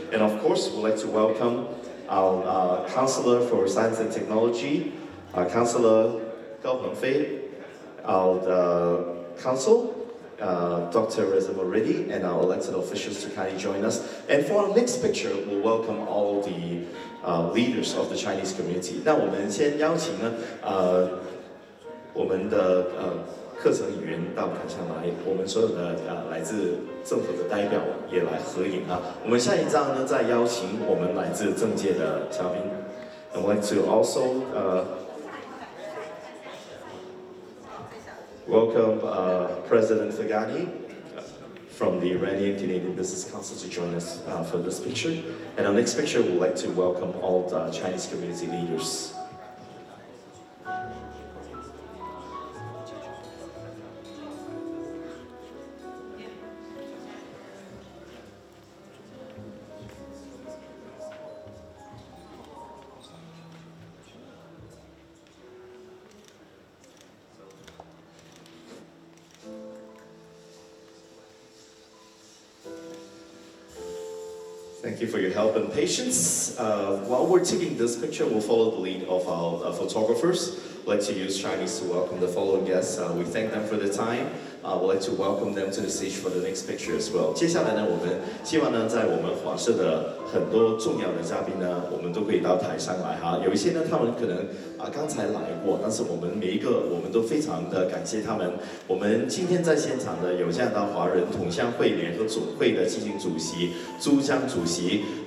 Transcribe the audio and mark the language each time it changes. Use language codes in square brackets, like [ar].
[en] And of course, we'd like to welcome our counselor for science and technology, our counselor Gao Hengfei, our counsel, Dr. Reza Moridi, and our elected officials to kindly join us. And for our next picture, we'll welcome all the leaders of the Chinese community. [zh] 那我们先邀请呢，我们的课程语言到台上来，我们所有的来自政府的代表也来合影啊。我们下一张呢，再邀请我们来自政界的嘉宾。 [en] I want to also welcome President Fagani from the Iranian Canadian Business Council to join us for this picture. And our next picture, we'd like to welcome all the Chinese community leaders. Help and patience. While we're taking this picture, we'll follow the lead of our photographers. We'd like to use Chinese to welcome the following guests. We thank them for their time. We'd like to welcome them to the stage for the next picture as well. [zh] 接下来呢，我们希望呢，在我们华社的很多重要的嘉宾呢，我们都可以到台上来哈。有一些呢，他们可能刚才来过，但是我们每一个我们都非常的感谢他们。我们今天在现场的有这样的华人同乡会联合总会的基金主席朱江主席。